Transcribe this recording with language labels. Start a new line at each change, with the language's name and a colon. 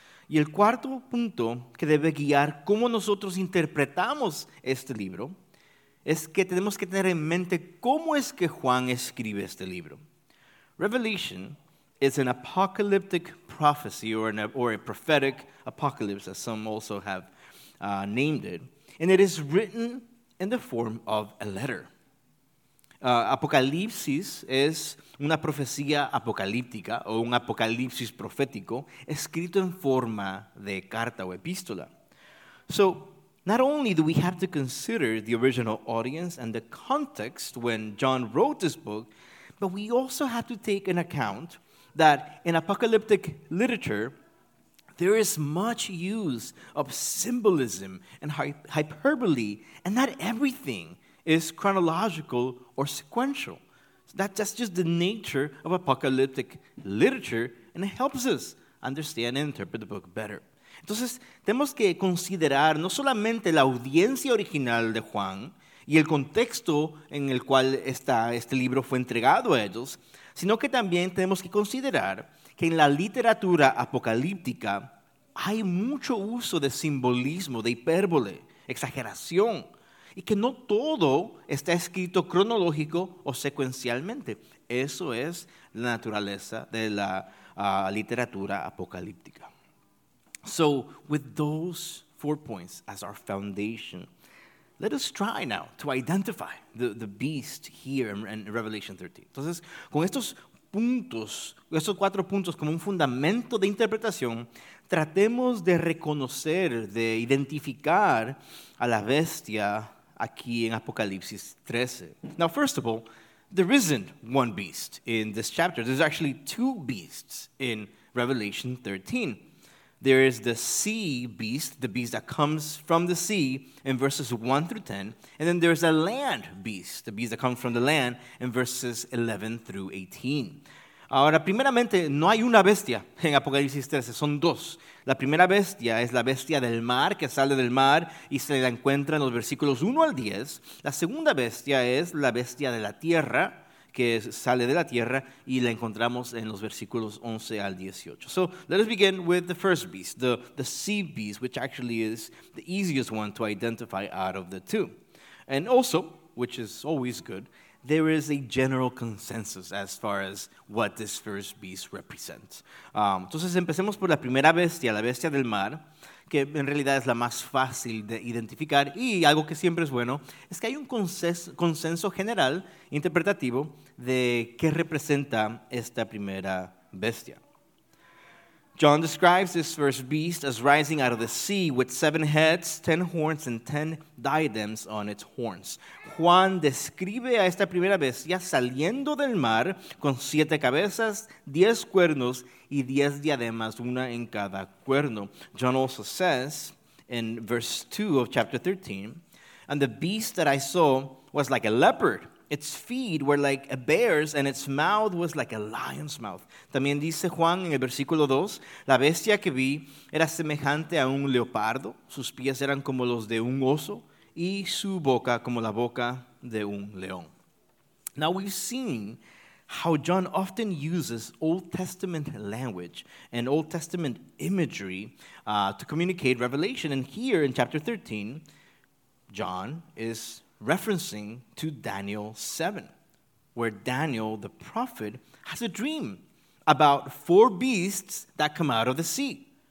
Spanish: Y el cuarto punto que debe guiar cómo nosotros interpretamos este libro es que tenemos que tener en mente cómo es que Juan escribe este libro.
English: Revelation is an apocalyptic prophecy or a prophetic apocalypse, as some also have named it, and it is written in the form of a letter.
Spanish: Apocalipsis es una profecía apocalíptica o un apocalipsis profético escrito en forma de carta o epístola.
English: So, not only do we have to consider the original audience and the context when John wrote this book, but we also have to take into account that in apocalyptic literature, there is much use of symbolism and hyperbole, and not everything is chronological or sequential. So that's just the nature of apocalyptic literature, and it helps us understand and interpret the book better.
Spanish: Entonces, tenemos que considerar no solamente la audiencia original de Juan y el contexto en el cual este libro fue entregado a ellos, sino que también tenemos que considerar que en la literatura apocalíptica hay mucho uso de simbolismo, de hipérbole, exageración, y que no todo está escrito cronológico o secuencialmente. Eso es la naturaleza de la literatura apocalíptica.
English: So, with those four points as our foundation, let us try now to identify the beast here in Revelation 13.
Spanish: Entonces, con estos puntos, estos cuatro puntos como un fundamento de interpretación, tratemos de reconocer, de identificar a la bestia aquí en Apocalipsis 13.
English: Now, first of all, there isn't one beast in this chapter. There's actually two beasts in Revelation 13. There is the sea beast, the beast that comes from the sea in verses 1 through 10. And then there's a land beast, the beast that comes from the land in verses 11 through 18.
Spanish: Ahora, primeramente, no hay una bestia en Apocalipsis 13, son dos. La primera bestia es la bestia del mar, que sale del mar y se la encuentra en los versículos 1 al 10. La segunda bestia es la bestia de la tierra, que sale de la tierra y la encontramos en los versículos 11 al 18.
English: So, let us begin with the first beast, the sea beast, which actually is the easiest one to identify out of the two. And also, which is always good, there is a general consensus as far as what this first beast represents.
Spanish: Entonces, empecemos por la primera bestia, la bestia del mar, que en realidad es la más fácil de identificar. Y algo que siempre es bueno es que hay un consenso general interpretativo de qué representa esta primera bestia.
English: John describes this first beast as rising out of the sea with seven heads, ten horns, and ten diadems on its horns.
Spanish: Juan describe a esta primera bestia saliendo del mar con siete cabezas, diez cuernos, y diez diademas, una en cada cuerno.
English: John also says in verse 2 of chapter 13, "And the beast that I saw was like a leopard. Its feet were like a bear's, and its mouth was like a lion's mouth."
Spanish: También dice Juan en el versículo 2, "La bestia que vi era semejante a un leopardo, sus pies eran como los de un oso, y su boca como la boca de un león."
English: Now we've seen how John often uses Old Testament language and Old Testament imagery to communicate Revelation. And here in chapter 13, John is referencing to Daniel 7, where Daniel, the prophet, has a dream about four beasts that come out of the sea.